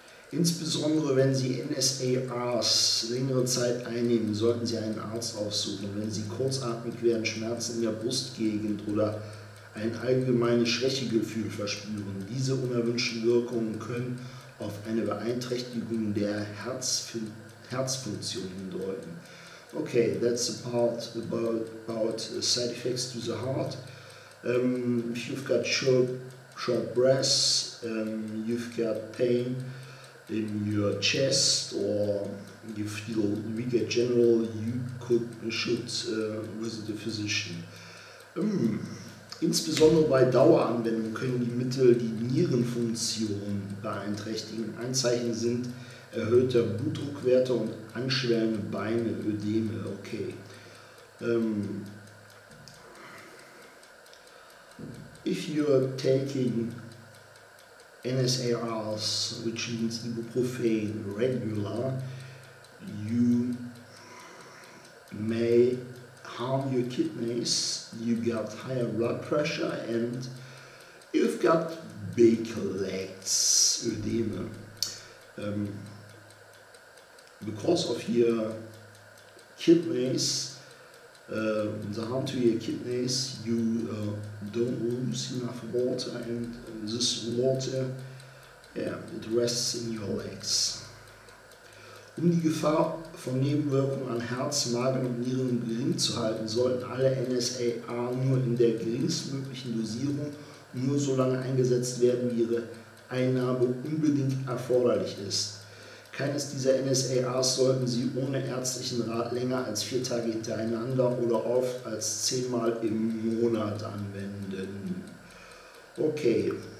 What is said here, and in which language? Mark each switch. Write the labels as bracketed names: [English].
[German] Insbesondere wenn Sie NSARs längere Zeit einnehmen, sollten Sie einen Arzt aufsuchen. Wenn Sie kurzatmig werden, Schmerzen in der Brustgegend oder ein allgemeines Schwächegefühl verspüren, diese unerwünschten Wirkungen können auf eine Beeinträchtigung der Herzfunktion hindeuten. [English] Okay, that's the part about side effects to the heart. If you've got short breaths, you've got pain in your chest, or you feel weaker general, you should visit a physician. [German] Insbesondere bei Daueranwendung können die Mittel die Nierenfunktion beeinträchtigen. Anzeichen sind erhöhte Blutdruckwerte und anschwellende Beine, Ödeme. Okay. [English] If you're taking NSARs, which means ibuprofen regular, you may harm your kidneys, you got higher blood pressure, and you've got big legs, edema. Because of your kidneys, the harm to your kidneys, you don't lose enough water, and this water, yeah, it rests in your legs. [German] Die Gefahr von Nebenwirkungen an Herz, Magen und Nieren gering zu halten, sollten alle NSAA nur in der geringstmöglichen Dosierung nur so lange eingesetzt werden, wie ihre Einnahme unbedingt erforderlich ist. Keines dieser NSARs sollten Sie ohne ärztlichen Rat länger als 4 Tage hintereinander oder oft als 10-mal im Monat anwenden. Okay.